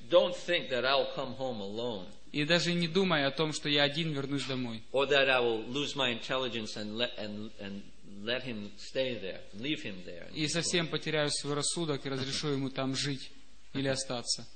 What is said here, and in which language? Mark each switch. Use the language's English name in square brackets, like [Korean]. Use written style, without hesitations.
[English] Don't think that I'll come home alone. [Russian] И даже не думая о том, что я один вернусь домой. [English] Or that I will lose my intelligence and let him stay there, leave him there. [Russian] И совсем потеряю свой рассудок и разрешу ему там жить или остаться.